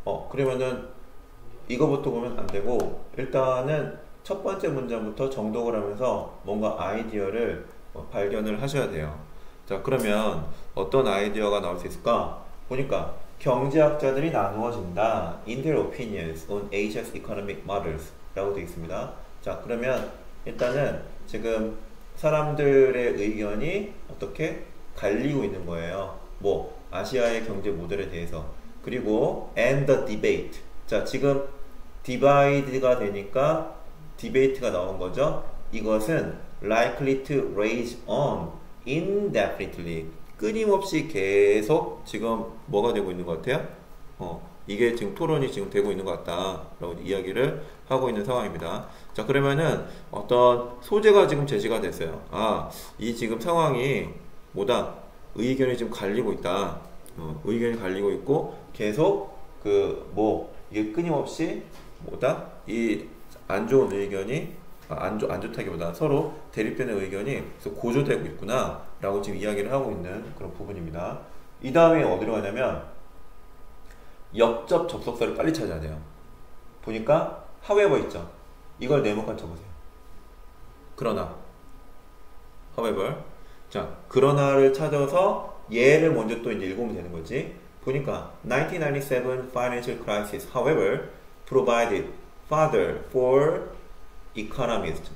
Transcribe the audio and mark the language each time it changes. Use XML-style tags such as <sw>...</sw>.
<ko>그러면은 이거부터 보면 안 되고 일단은 첫 번째 문장부터 정독을 하면서 뭔가 아이디어를 발견을 하셔야 돼요. 자, 그러면 어떤 아이디어가 나올 수 있을까? 보니까 경제학자들이 나누어진다.</ko> <en>In their opinions on Asia's economic matters.</en> <ko>라고 되어 있습니다. 자, 그러면 일단은 지금 사람들의 의견이 어떻게 갈리고 있는 거예요. 뭐, 아시아의 경제 모델에 대해서. 그리고,</ko> <en>and the debate.</en> <ko>자, 지금 divide가 되니까 debate가 나온 거죠. 이것은</ko> <en>likely to rage on indefinitely.</en> <ko>끊임없이 계속 지금 뭐가 되고 있는 것 같아요? 이게 지금 토론이 지금 되고 있는 것 같다라고 이야기를 하고 있는 상황입니다. 자, 그러면은 어떤 소재가 지금 제시가 됐어요. 아, 이 지금 상황이 뭐다? 의견이 지금 갈리고 있다. 의견이 갈리고 있고 계속 그뭐 이게 끊임없이 뭐다? 이안 좋은 의견이 안 좋다기보다 서로 대립되는 의견이 고조되고 있구나라고 지금 이야기를 하고 있는 그런 부분입니다. 이 다음에 어디로 가냐면 역접 접속사를 빨리 찾아야 돼요. 보니까 however 있죠? 이걸 네모칸 쳐보세요. 그러나 however 자, 그러나를 찾아서 얘를 먼저 또 이제 읽으면 되는 거지.</ko> <en>보니까 1997 financial crisis, however, provided fodder for economists.</en>